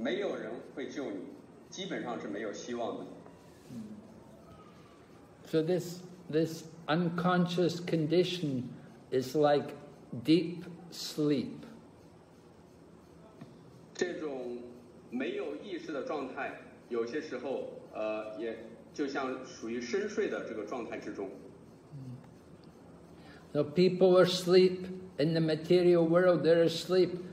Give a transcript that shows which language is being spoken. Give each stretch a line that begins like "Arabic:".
Chinese: 如果他在这个森林里面掉到黑井里面去的，没有人会救你，基本上是没有希望的。
English: So this unconscious condition is like deep sleep.
Chinese: 这种没有意识的状态，有些时候，也就像属于深睡的这个状态之中。
English: So people are asleep in the material world, they're asleep.